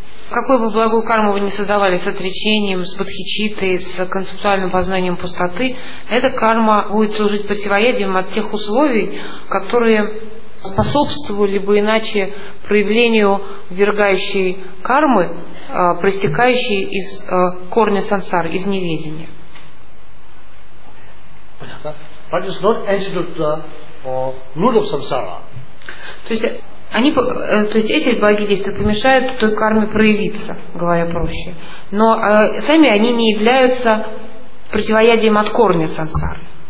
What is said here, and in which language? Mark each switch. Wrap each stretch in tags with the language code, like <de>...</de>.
<ru>Какую бы благую карму вы ни создавали с отречением, с бодхичиттой, с концептуальным познанием пустоты, эта карма будет служить противоядием от тех условий, которые способствовали бы иначе проявлению ввергающей кармы, проистекающей из корня сансары, из неведения.</ru> <en>But it's not antidote to root of samsara.</en> <ru>То есть эти благие действия помешают той карме проявиться, говоря проще. Но сами они не являются противоядием от корня сансары.</ru>